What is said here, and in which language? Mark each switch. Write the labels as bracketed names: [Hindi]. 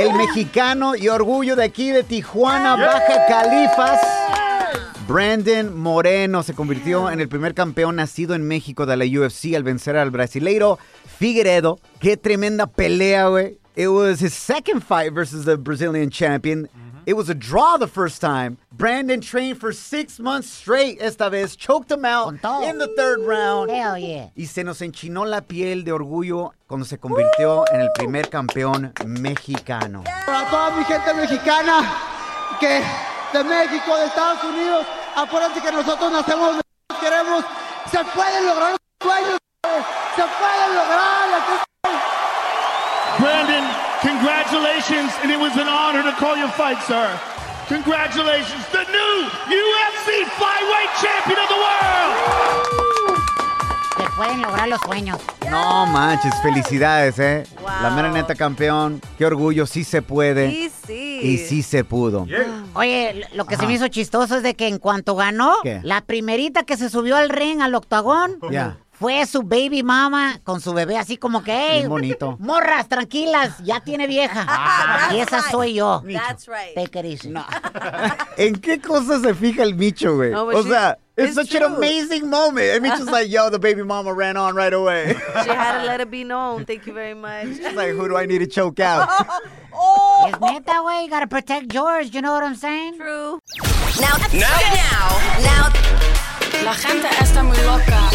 [Spanish] El mexicano y orgullo de aquí de Tijuana, Baja Califas, Brandon Moreno, se convirtió en el primer campeón nacido en México de la UFC al vencer al brasileiro Figueiredo. Qué tremenda pelea, güey. [English] It was his second fight versus the Brazilian champion. It was a draw the first time. Brandon trained for 6 months straight [Spanish] esta vez. [English] Choked him out in the third round. Hell yeah. [Spanish] Y se nos enchinó la piel de orgullo cuando se convirtió en el primer campeón mexicano. Para toda mi gente mexicana, que de México, de Estados Unidos, acuérdense que nosotros nacemos, queremos, se pueden lograr los sueños, se pueden lograr. Brandon. [English] Congratulations, and it was an honor to call your fight, sir. Congratulations, the new UFC flyweight champion of the world! [Spanish] Se pueden lograr los sueños. No manches, felicidades, eh. [English] Wow. [Spanish] La mera neta campeón, qué orgullo, sí se puede. Sí, sí. Y sí se pudo. [English] Yeah. [Spanish] Oye, lo que se me hizo chistoso es de que en cuanto ganó, ¿qué? La primerita que se subió al ring, al octagón. [English] Ya. Yeah. [Spanish] Fue su baby mama con su bebé, así como que, hey, bonito. Morras, tranquilas, ya tiene vieja. Ah, y esa [English] right. [Spanish] soy yo. [English] That's right. Take it easy. [Spanish] No. ¿En qué cosa se fija el Micho, güey? No, o [English] she, [Spanish] sea, [English] it's such true. An amazing moment. And Micho's like, yo, the baby mama ran on right away. She had to let it be known. Thank you very much. She's like, who do I need to choke out? Oh. Isn't it that way? You gotta protect George, you know what I'm saying? True. Now. [Spanish] La gente está muy loca.